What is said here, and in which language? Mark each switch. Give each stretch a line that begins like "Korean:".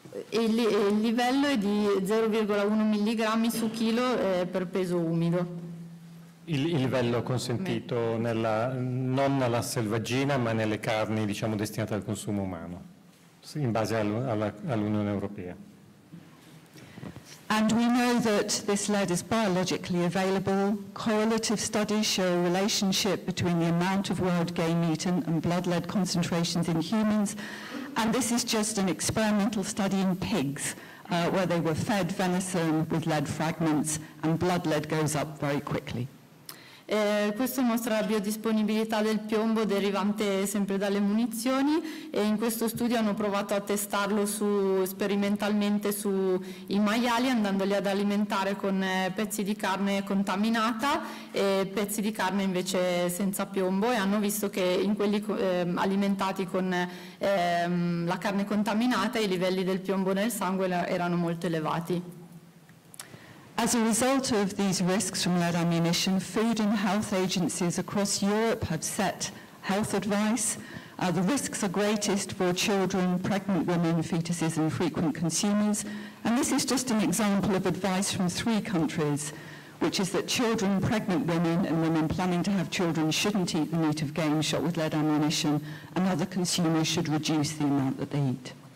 Italian: Il livello è di 0,1 mg su chilo per peso umido. Il livello consentito non nella selvaggina ma nelle carni diciamo destinate al consumo umano in base all'Unione Europea.
English: And we know that this lead is biologically available. Correlative studies show a relationship between the amount of wild game eaten and blood lead concentrations in humans. And this is just an experimental study in pigs where they were fed venison with lead fragments and blood lead goes up very quickly.
Italian: Questo mostra la biodisponibilità del piombo derivante sempre dalle munizioni e in questo studio hanno provato a testarlo sperimentalmente sui maiali andandoli ad alimentare con pezzi di carne contaminata e pezzi di carne invece senza piombo e hanno visto che in quelli alimentati con la carne contaminata i livelli del piombo nel sangue erano molto elevati.
English: As a result of these risks from lead ammunition, food and health agencies across Europe have set health advice. The risks are greatest for children, pregnant women, fetuses and frequent consumers. And this is just an example of advice from three countries, which is that children, pregnant women and women planning to have children shouldn't eat the meat of game shot with lead ammunition and other consumers should reduce the amount that they eat.